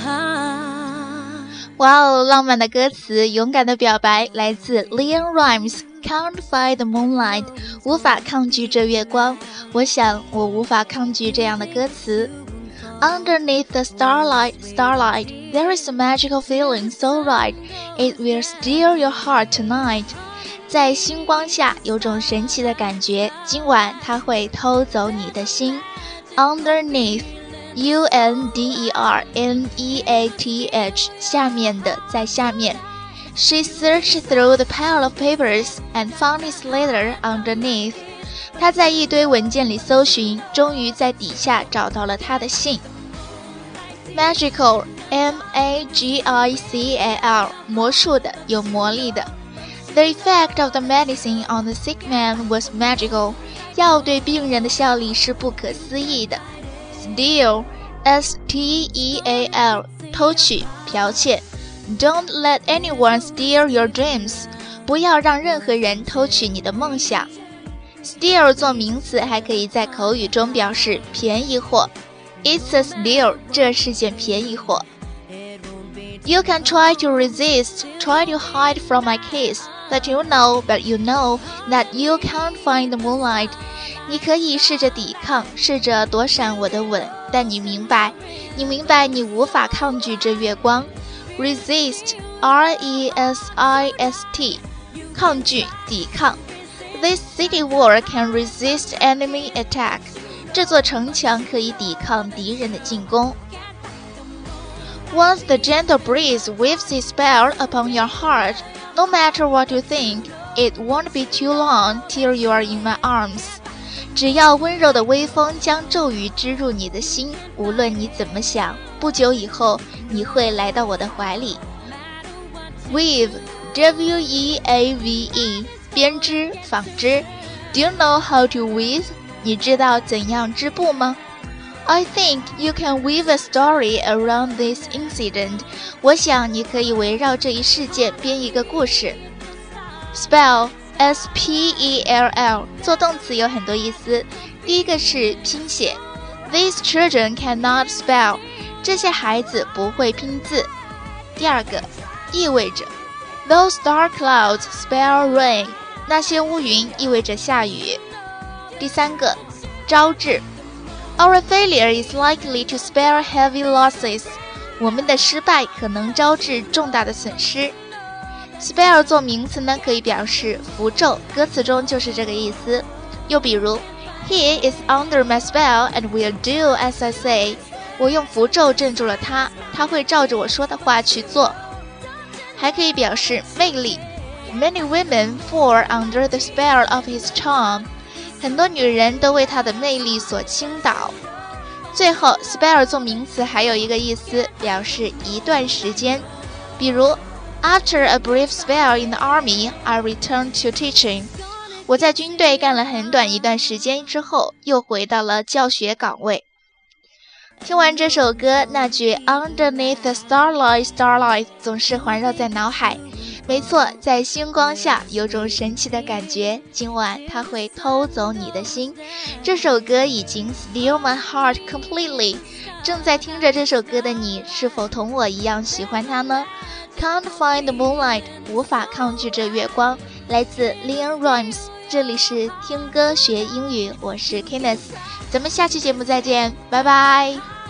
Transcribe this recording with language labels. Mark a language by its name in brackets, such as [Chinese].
[Chinese] 浪漫的歌词，勇敢的表白，来自 Leon Rimes Can't Fight the Moonlight， 无法抗拒这月光。我想我无法抗拒这样的歌词。 [English] Underneath the starlight, there is a magical feeling so right, it will steal your heart tonight. [Chinese] 在星光下有种神奇的感觉，今晚它会偷走你的心。 Underneath, UNDERNEATH, 下面的，在下面。 [English] She searched through the pile of papers and found his letter underneath. [Chinese] 她在一堆文件里搜寻，终于在底下找到了他的信。 Magical, M-A-G-I-C-A-L, 魔术的，有魔力的。 [English] The effect of the medicine on the sick man was magical. [Chinese] 药对病人的效力是不可思议的。Steal, S-T-E-A-L, 偷取，剽窃。 [English] Don't let anyone steal your dreams. [Chinese] 不要让任何人偷取你的梦想。Steal 做名词还可以在口语中表示便宜货。 [English] It's a steal, [Chinese] 这是件便宜货。 [English] You can try to resist, try to hide from my kiss, but you know that you can't find the moonlight. [Chinese] 你可以试着抵抗，试着躲闪我的吻，但你明白你无法抗拒这月光。 Resist, R-E-S-I-S-T, 抗拒，抵抗。 [English] This city wall can resist enemy attack. [Chinese] 这座城墙可以抵抗敌人的进攻。 [English] Once the gentle breeze weaves its spell upon your heart, no matter what you think, it won't be too long till you are in my arms. [Chinese] 只要温柔的微风将咒语织入你的心，无论你怎么想，不久以后你会来到我的怀里。 Weave, W-E-A-V-E, 编织、纺织。 [English] Do you know how to weave? [Chinese] 你知道怎样织布吗？ [English] I think you can weave a story around this incident. [Chinese] 我想你可以围绕这一事件编一个故事。 Spell, S-P-E-L-L, 做动词有很多意思。第一个是拼写。 [English] These children cannot spell. [Chinese] 这些孩子不会拼字。第二个，意味着。 [English] Those dark clouds spell rain. [Chinese] 那些乌云意味着下雨。第三个，招致。 [English] Our failure is likely to spare heavy losses. [Chinese] 我们的失败可能招致重大的损失。Spare 做名词呢，可以表示符咒，歌词中就是这个意思。又比如 [English] ，He is under my spell and will do as I say. [Chinese] 我用符咒镇住了他，他会照着我说的话去做。还可以表示魅力。 [English] Many women fall under the spell of his charm. [Chinese] 很多女人都为她的魅力所倾倒。最后 spare 做名词还有一个意思，表示一段时间。比如 [English] After a brief spell in the army, I returned to teaching. [Chinese] 我在军队干了很短一段时间之后，又回到了教学岗位。听完这首歌，那句 [English] Underneath the starlight [Chinese] 总是环绕在脑海。没错，在星光下有种神奇的感觉，今晚它会偷走你的心。这首歌已经 [English] steal my heart completely。 [Chinese] 正在听着这首歌的你，是否同我一样喜欢它呢？ [English] Can't find the moonlight， [Chinese] 无法抗拒这月光，来自 Leon Rimes。这里是听歌学英语，我是 Kenneth， 咱们下期节目再见，拜拜。